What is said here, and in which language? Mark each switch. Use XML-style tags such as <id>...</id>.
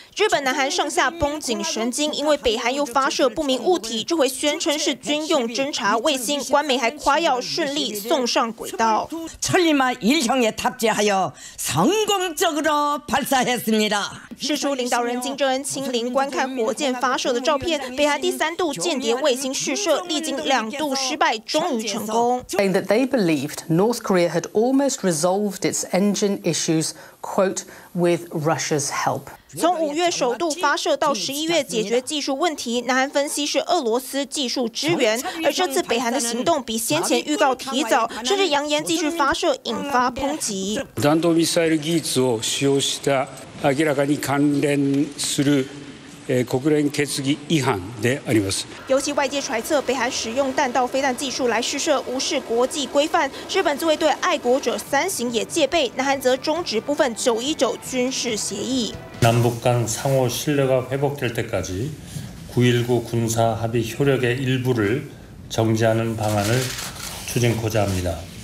<zh>日本、南韩上下绷紧神经，因为北韩又发射不明物体，这回宣称是军用侦察卫星，官媒还夸耀顺利送上轨道。</zh> <ko>천리만일형에탑재하여성공적으로발사했습니다。</ko> <zh>释出领导人金正恩亲临观看火箭发射的照片，北韩第三度间谍卫星试射，历经2度失败，终于成功。</zh> <en>Saying that they believed North Korea had almost resolved its engine issues, quote. With Russia's help.</en> <zh>从五月首度发射到11月解决技术问题，南韩分析是俄罗斯技术支援。而这次北韩的行动比先前预告提早，甚至扬言继续发射，引发抨击。</zh> <ja>弾道ミサイル技術を使用した明らかに関連する国連決議違反であります。</ja> <zh>尤其外界揣测北韩使用弹道飞弹技术来试射，无视国际规范。日本自卫队爱国者三型也戒备，南韩则终止部分919军事协议。</zh> <ko>남북간상호신뢰가회복될때까지919군사합의효력의일부를정지하는방안을추진하고자합니다。</ko>